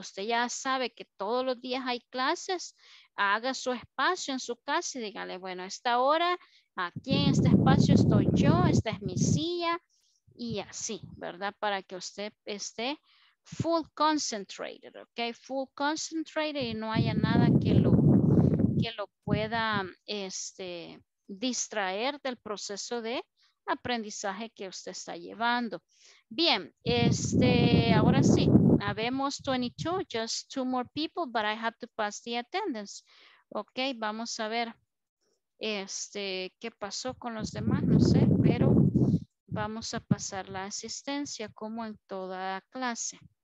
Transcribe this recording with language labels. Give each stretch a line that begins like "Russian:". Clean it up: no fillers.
Spanish: Usted ya sabe que todos los días hay clases, haga su espacio en su casa y dígale, bueno, a esta hora aquí en este espacio estoy yo, esta es mi silla, y así, ¿verdad? Para que usted esté
English: full concentrated,
Spanish: ¿ok?
English: Full concentrated
Spanish: y no haya nada que lo pueda distraer del proceso de aprendizaje que usted está llevando. Bien, ahora sí, habemos 22,
English: just two more people, but I have to pass the attendance.
Spanish: Ok, vamos a ver qué pasó con los demás, no sé, pero vamos a pasar la asistencia como en toda clase.